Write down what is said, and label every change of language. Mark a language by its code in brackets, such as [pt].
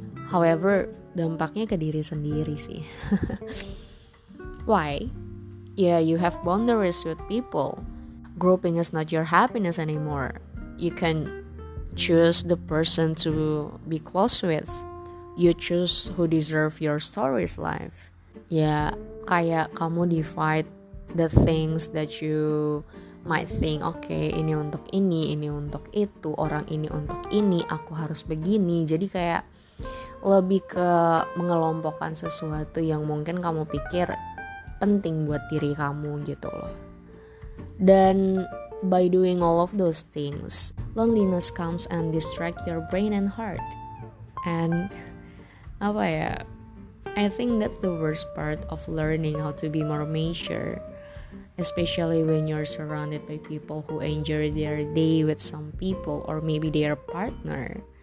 [id] However, dampaknya ke diri sendiri sih. Why? [en] Yeah, you have boundaries with people. Grouping is not your happiness anymore. You can choose the person to be close with. You choose who deserve your story's life. [id] Yeah, kayak kamu [en] divide the things that you might think, [id] okay, ini untuk itu, orang ini untuk ini, aku harus begini. Jadi kayak lebih ke mengelompokkan sesuatu yang mungkin kamu pikir penting buat diri kamu gitu loh. [en] Dan by doing all of those things, loneliness comes and distract your brain and heart. And I think that's the worst part of learning how to be more mature, especially when you're surrounded by people who enjoy their day with some people or maybe their partner.